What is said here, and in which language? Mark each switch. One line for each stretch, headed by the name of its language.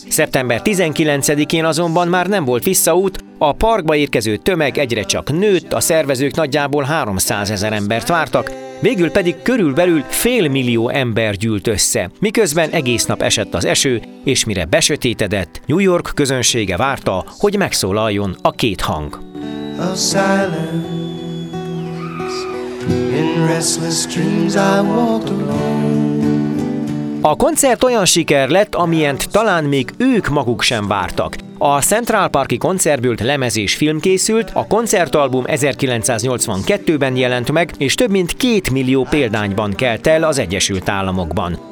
Hungarian: Szeptember 19-én azonban már nem volt visszaút, a parkba érkező tömeg egyre csak nőtt, a szervezők nagyjából 300 ezer embert vártak, végül pedig körülbelül 500 000 ember gyűlt össze, miközben egész nap esett az eső, és mire besötétedett, New York közönsége várta, hogy megszólaljon a két hang.
English: A silence, in restless dreams I walked alone.
Hungarian: A koncert olyan siker lett, amilyent talán még ők maguk sem vártak. A Central Parki koncertből lemez és film készült, a koncertalbum 1982-ben jelent meg, és több mint 2 millió példányban kelt el az Egyesült Államokban.